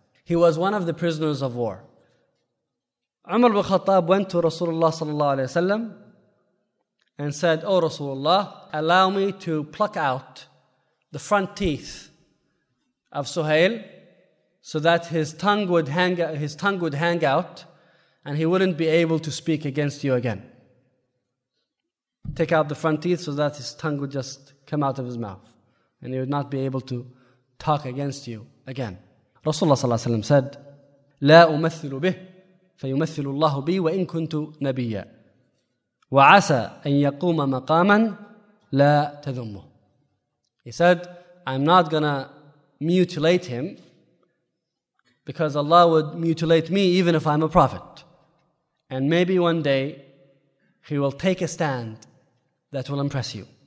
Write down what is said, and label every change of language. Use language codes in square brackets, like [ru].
[en] He was one of the prisoners of war. Umar ibn Khattab went to Rasulullah sallallahu alayhi wa sallam and said, "Oh Rasulullah, allow me to pluck out the front teeth of Suhail, so that his tongue would hang out, and he wouldn't be able to speak against you again. Take out the front teeth so that his tongue would just come out of his mouth, and he would not be able to talk against you again." Rasulullah sallallahu alaihi wasallam said, [ar] "لا أمثل به فيمثل الله بي وإن كنت نبيا وعسى أن يقوم مقاما لا تذمه." [en] He said, "I'm not gonna mutilate him, because Allah would mutilate me even if I'm a prophet. And maybe one day he will take a stand that will impress you."